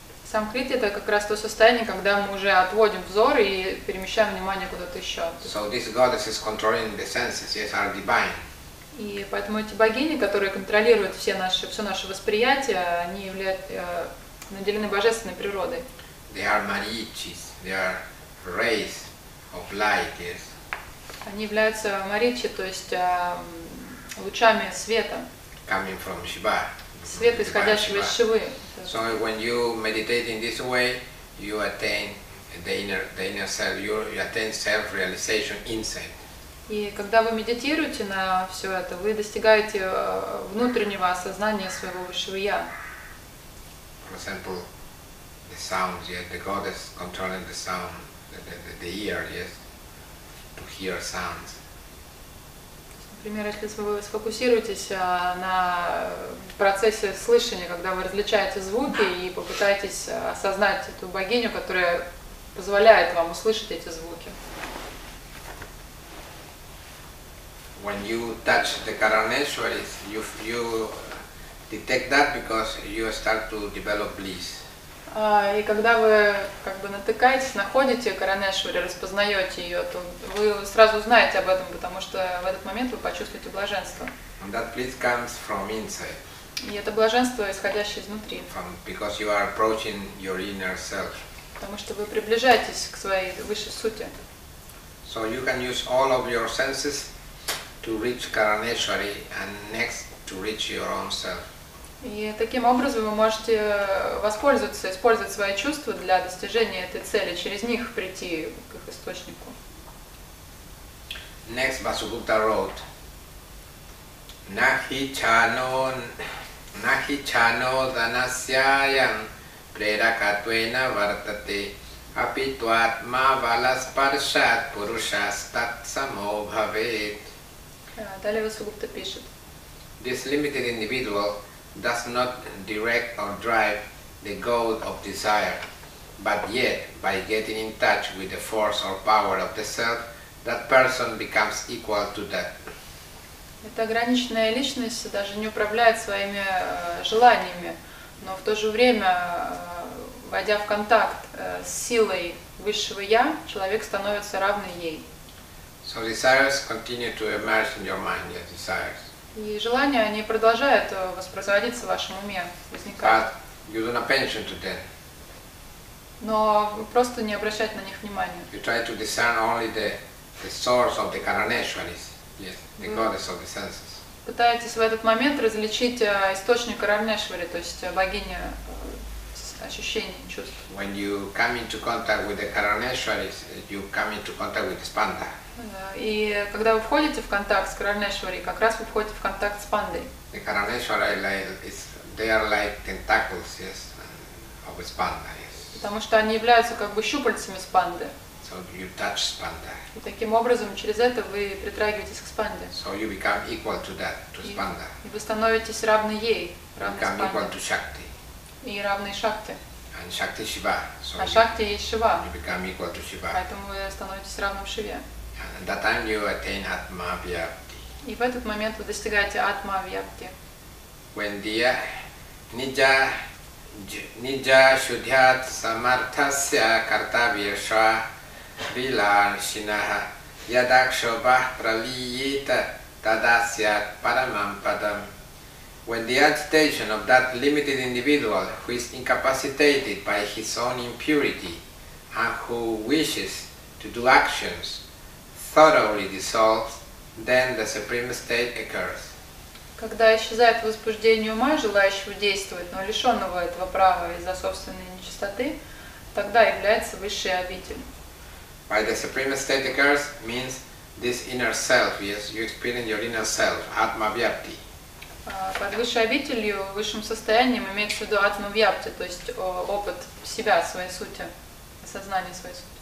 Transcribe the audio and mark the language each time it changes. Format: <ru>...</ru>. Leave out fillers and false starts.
<ru>Самкрити – это как раз то состояние, когда мы уже отводим взор и перемещаем внимание куда-то еще.</ru> <en>So these goddesses controlling the senses, yes, are divine.</en> <ru>И поэтому эти богини, которые контролируют все наше восприятие, они являются наделены божественной природой.</ru> <en>They are Marichis, they are rays of light, yes.</en> <ru>Они являются Маричи, то есть лучами света.</ru> <en>Coming from Shiva.</en> <ru>Свет, исходящий из Шивы.</ru> <en>So when you meditate in this way, you attain the inner self, you attain self-realization inside.</en> <ru>И когда вы медитируете на все это, вы достигаете внутреннего осознания своего высшего я.</ru> <en>For example, the sounds, yeah, the goddess controlling the sound, the ear, yes, to hear sounds.</en> <ru>Например, если вы сфокусируетесь на процессе слышания, когда вы различаете звуки и попытаетесь осознать эту богиню, которая позволяет вам услышать эти звуки.</ru> <en>When you touch the Karaneshwari, you detect that because you start to develop bliss.</en> <ru>И когда вы как бы натыкаетесь, находите Каранешвари, распознаете ее, то вы сразу знаете об этом, потому что в этот момент вы почувствуете блаженство.</ru> <en>And that bliss comes from inside.</en> <ru>И это блаженство, исходящее изнутри.</ru> <en>Because you are approaching your inner self.</en> <ru>Потому что вы приближаетесь к своей высшей сути.</ru> <en>So you can use all of your senses to reach Каранешвари and next to reach your own self.</en> <ru>И таким образом вы можете воспользоваться, использовать свои чувства для достижения этой цели, через них прийти к их источнику.</ru> <en>Next Vasugupta wrote,</en> <sa>Nahichano danasyayam prerakatvena vartate apituatma valasparshat purushastat samobhavet.</sa> <ru>Далее Vasugupta пишет.</ru> <en>This limited individual does not direct or drive the goal of desire, but yet, by getting in touch with the force or power of the self, that person becomes equal to that.</en> <ru>Эта ограниченная личность даже не управляет своими желаниями, но в то же время, войдя в контакт с силой высшего я, человек становится равным ей.</ru> <en>So desires continue to emerge in your mind, yes, desires.</en> <ru>И желания, они продолжают воспроизводиться в вашем уме, возникают.</ru> <en>But you do not pay attention to them.</en> <ru>Но вы просто не обращаете на них внимания.</ru> <en>You try to discern only the source of the Karaneshwaris, yes, the goddess of the senses.</en> <ru>Пытаетесь в этот момент различить источник Карамешвари, то есть богиня ощущений, чувств.</ru> <en>When you come into contact with the Karaneshwaris, you come into contact with the Spanda.</en> <ru>И когда вы входите в контакт с Каранешвари, как раз вы входите в контакт с пандой.</ru> <en>The Karaneshwari they are like tentacles, yes, of a spanda, yes.</en> <ru>Потому что они являются как бы щупальцами спанды.</ru> <en>So So you touch Spanda.</en> <ru>И таким образом через это вы притрагиваетесь к Спанде.</ru> <en>So you become equal to that, to Spanda.</en> <ru>И вы становитесь равны ей, равны</ru> <en>Спанде. Become equal to Shakti.</en> <ru>И равны Шакти.</ru> <en>And Shakti Shiva.</en> <ru>So а Шакти есть Шива.</ru> <en>You become equal to Shiva.</en> <ru>Поэтому вы становитесь равным Шиве.</ru> <en>And at that time you attain Atma Vyapti.</en> <ru>И в этот момент вы достигаете Атма Вьяпти.</ru> <en>When the</en> <sa>Nija Nija Shudhyat Samarthasya Kartavyasha Vilashinaha Yadakshobah Praviyita Tadasya Paramam Padam.</sa> <en>When the agitation of that limited individual who is incapacitated by his own impurity and who wishes to do actions thoroughly dissolves, then the supreme state occurs.</en> <ru>Когда исчезает возбуждение ума, желающего действовать, но лишенного этого права из-за собственной нечистоты, тогда является высшая обитель.</ru> <en>By the supreme state occurs means this inner self, yes, you experience your inner self, Atma Vyapti.</en> <ru>Под высшей обителью, высшим состоянием имеется в виду Атма Вьяпти, то есть опыт себя, своей сути, осознание своей сути.</ru>